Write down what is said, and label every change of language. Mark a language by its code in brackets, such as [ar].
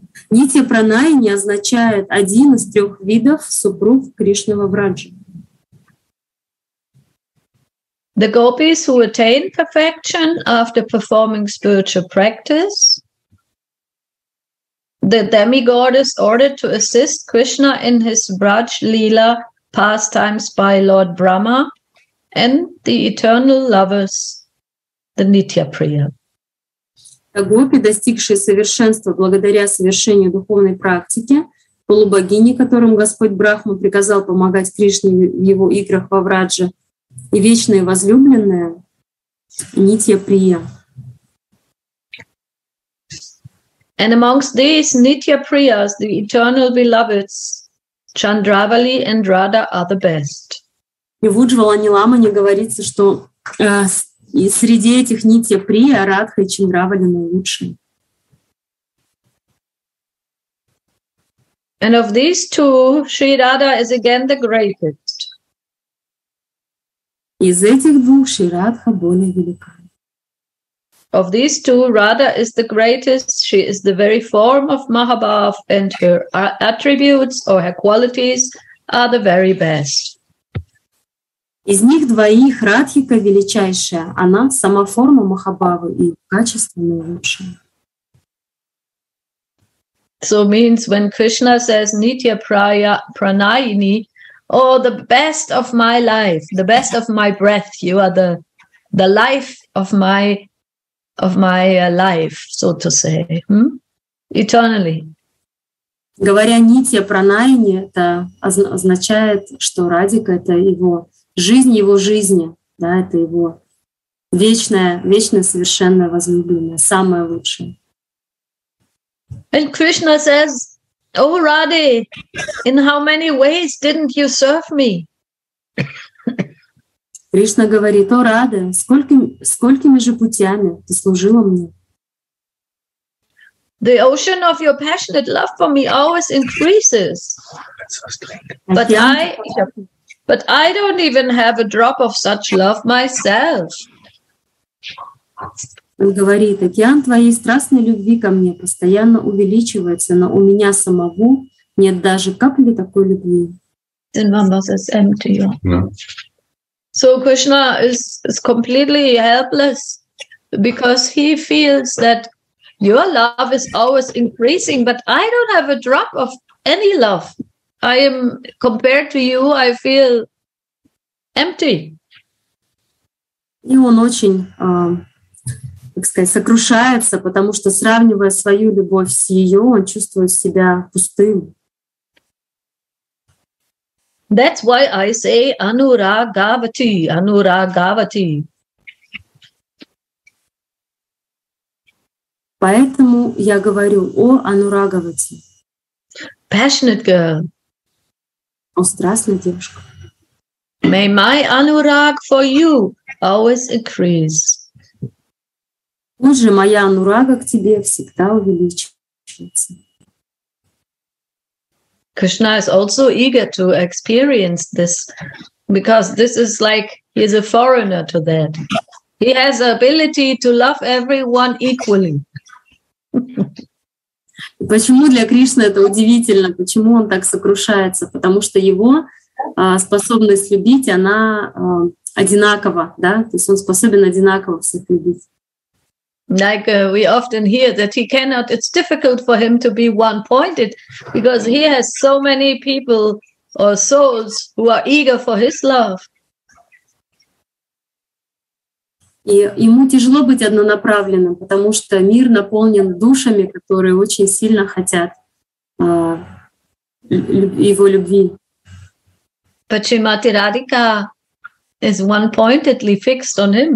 [ru] Нитья пранайни означает один из трех видов супруг Кришнава Враджа. [en] The gopis who attain perfection after performing spiritual practice, the demigoddess ordered to assist Krishna in his Braj Leela pastimes by Lord Brahma, and the eternal lovers, the Nitya Priya. [ru] Гопи, достигшие совершенства благодаря совершению духовной практики, полубогини, которым Господь Брахма приказал помогать Кришне в его играх во Врадже, и вечные возлюбленные, Нитья Прия. [en] And amongst these Nitya Priyas, the eternal beloveds, Chandravali and Radha are the best. [ru] И в Уджвала-Ниламане говорится, что среди этих Нитья Прия Радха и Чандравали наилучшие. [en] And of these two, Shri Radha is again the greatest. [ru] Из этих двух Шри Радха более велика. [en] Of these two, Radha is the greatest. She is the very form of Mahabhav, and her attributes or her qualities are the very best. [ru] Из них двоих Радхика величайшая, она сама форма Махабхавы и качество наилучшее. [en] So means when Krishna says Nitya Praya Pranayini, oh, the best of my life, the best of my breath, you are the life of my life, so to say, eternally. [ru] Говоря Нитья Пранайини, это означает, что Радхика — это его жизнь, его жизни, да, это его вечная, вечная совершенная возлюбленная, самая лучшая. [en] And Krishna says, "O Radhe, in how many ways didn't you serve me?" [ru] Кришна говорит: "О Радхе, сколькими же путями ты служила мне?" [en] The ocean of your passionate love for me always increases. But I don't even have a drop of such love myself. [ru] Он говорит: океан твоей страстной любви ко мне постоянно увеличивается, но у меня самого нет даже капли такой любви. [en] Then Mama says, empty you. No. So Krishna is completely helpless because he feels that your love is always increasing, but I don't have a drop of any love. I am, compared to you, I feel empty. [ru] И он очень, так сказать, сокрушается, потому что, сравнивая свою любовь с ее, он чувствует себя пустым. [en] That's why I say anuragavati, anuragavati. [ru] Поэтому я говорю о анурагавати. [en] Passionate girl. [ru] О, страстная девушка. [en] May my anurag for you always increase. [ru] Пусть же моя анурага к тебе всегда увеличивается. [en] Krishna is also eager to experience this because this is like he's a foreigner to that. He has the ability to love everyone equally. [ru] Почему для Кришны это удивительно? Почему он так сокрушается? Потому что его способность любить, она одинакова, да? То есть он способен одинаково всех любить. [en] Like we often hear that he cannot, it's difficult for him to be one-pointed because he has so many people or souls who are eager for his love. [ru] И ему тяжело быть однонаправленным, потому что мир наполнен душами, которые очень сильно хотят его любви. [en] But Srimati Radhika is one-pointedly fixed on him.